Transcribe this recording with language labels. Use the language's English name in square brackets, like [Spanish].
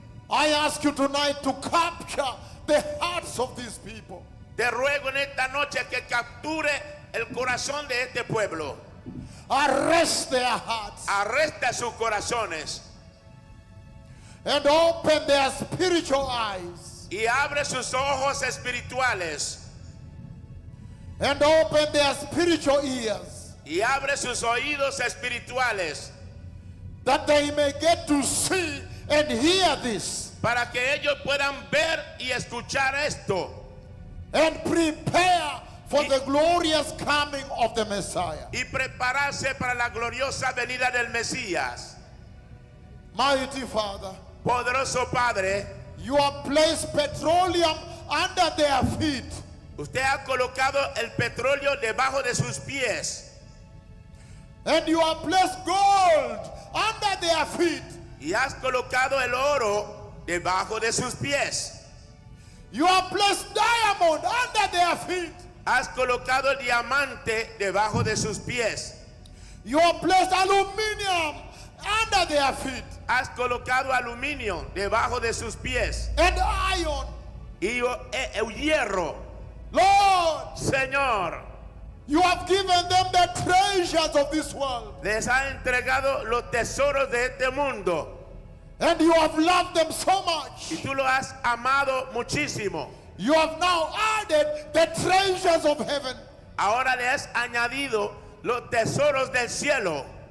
[English] I ask you tonight to capture the hearts of these people. [Spanish] Te ruego en esta noche que capture el corazón de este pueblo. [English] Arrest their hearts. [Spanish] Arresta sus corazones. [English] And open their spiritual eyes. [Spanish] Y abre sus ojos espirituales. [English] And open their spiritual ears. [Spanish] Y abre sus oídos espirituales. [English] That they may get to see and hear this. [Spanish] Para que ellos puedan ver y escuchar esto. [English] And prepare for the glorious coming of the Messiah. [Spanish] Y prepararse para la gloriosa venida del Mesías. [English] Mighty Father. [Spanish] Poderoso Padre. [English] You have placed petroleum under their feet. [Spanish] Usted ha colocado el petróleo debajo de sus pies. [English] And you have placed gold under their feet. [Spanish] Y has colocado el oro debajo de sus pies. [English] You have placed diamond under their feet. [Spanish] Has colocado el diamante debajo de sus pies. [English] You have placed aluminium under their feet. [Spanish] Has colocado aluminio debajo de sus pies. [English] And iron. [Spanish] Y el hierro. [English] Lord, [Spanish] Señor, [English] you have given them the treasures of this world. [Spanish] Les ha entregado los tesoros de este mundo. [English] And you have loved them so much. [Spanish] Y tú lo has amado muchísimo. [English] You have now added the treasures of heaven. [Spanish] Ahora le has añadido los tesoros del cielo.